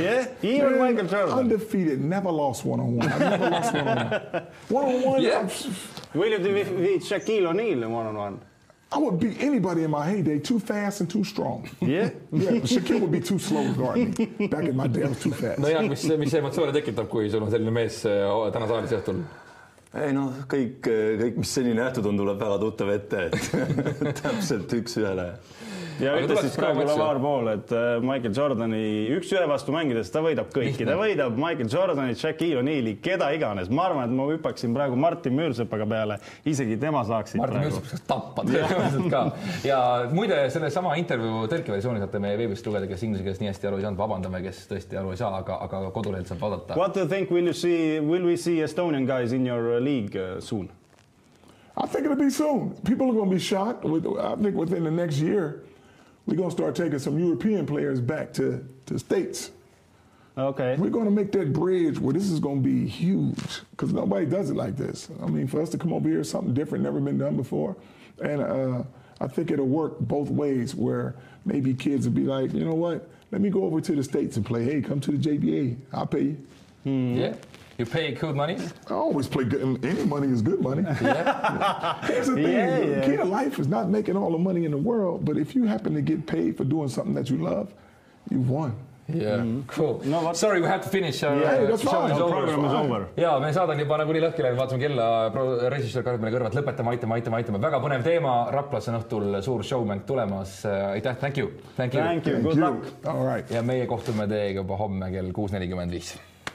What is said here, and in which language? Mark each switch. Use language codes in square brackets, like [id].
[en] Yeah? Even Michael Jordan? Undefeated, never lost one-on-one. I never lost one-on-one. Will you beat Shaquille O'Neal in one-on-one? I would beat anybody in my heyday, too fast and too strong. Yeah? Yeah, but Shaquille would be too slow to guard me. Back in my day, I was too fast. [et] No jah, mis emotsioone tekitab, kui sul on selline mees täna saalis õhtul? Ei noh, kõik, mis seni nähtud on, tuleb väga tuttav ette, et täpselt üks ühele. Ja ütles siis kogu Lavar Ball, et Michael Jordani üks ühe vastu mängides, ta võidab kõiki. Ta võidab Michael Jordani, Shaquille O'Neali, keda iganes. Ma arvan, et ma hüppaksin praegu Martin Müürsepaga peale, isegi tema saaksid Martin praegu. Martin Müürsepaga tappad. Ja muide, selle sama intervju tõlkeversiooni saate meie veebist lugeda, kes inglise keeles nii hästi aru ei saanud, vabandame, kes tõesti aru ei saa, aga kodulehelt saab vaadata. [en] What do you think, will we see Estonian guys in your league soon? I think it'll be soon. People are going to be shocked, I think within the next year. We're going to start taking some European players back to States. Okay. We're going to make that bridge where this is going to be huge because nobody does it like this. I mean, for us to come over here, something different, never been done before. And I think it'll work both ways where maybe kids will be like, you know what, let me go over to the States and play. Hey, come to the JBA. I'll pay you. Mm. Yeah. You pay good money? I always play good. Any money is good money. Yeah. Here's the thing. Yeah, yeah. Key to life is not making all the money in the world, but if you happen to get paid for doing something that you love, you've won. Yeah, mm-hmm. Cool. No, sorry, we have to finish. Show is over. [et] Jaa, me saadan juba nagu nii lõhkile, vaatame kella, režissöör kardab meile kõrvalt, lõpetame, aitame. Väga põnev teema, Raplas on õhtul suur showmäng tulemas. Aitäh, [en] thank you. Thank you, good luck. All right. [et] Ja meie kohtume teiega juba homme kell 6.45.